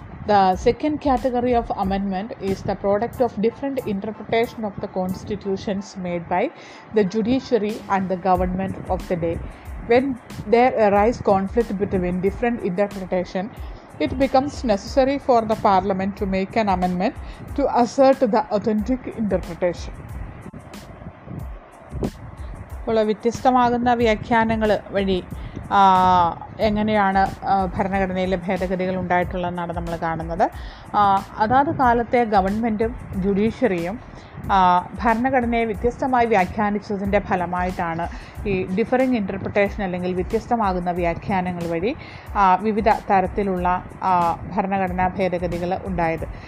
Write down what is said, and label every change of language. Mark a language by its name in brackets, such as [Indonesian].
[English] The second category of amendment is the product of different interpretation of the constitutions made by the judiciary and the government of the day. When there arises conflict between different interpretation, it becomes necessary for the parliament to make an amendment to assert the authentic interpretation. [Malayalam] പോലെ വ്യത്യസ്തമാകുന്ന വ്യാഖ്യാനങ്ങൾ വഴി എങ്ങനെയാണ് ഭരണഘടനയിലെ ഭേദഗതികൾ ഉണ്ടായിട്ടുള്ളതെന്നാണ് നമ്മൾ കാണുന്നത്. അതാത് കാലത്തെ ഗവൺമെൻറ്റും ജുഡീഷ്യറിയും ഭരണഘടനയെ വ്യത്യസ്തമായി വ്യാഖ്യാനിച്ചതിൻ്റെ ഫലമായിട്ടാണ് ഈ ഡിഫറിങ് ഇൻ്റർപ്രിട്ടേഷൻ അല്ലെങ്കിൽ വ്യത്യസ്തമാകുന്ന വ്യാഖ്യാനങ്ങൾ വഴി വിവിധ തരത്തിലുള്ള ഭരണഘടനാ ഭേദഗതികൾ ഉണ്ടായത്.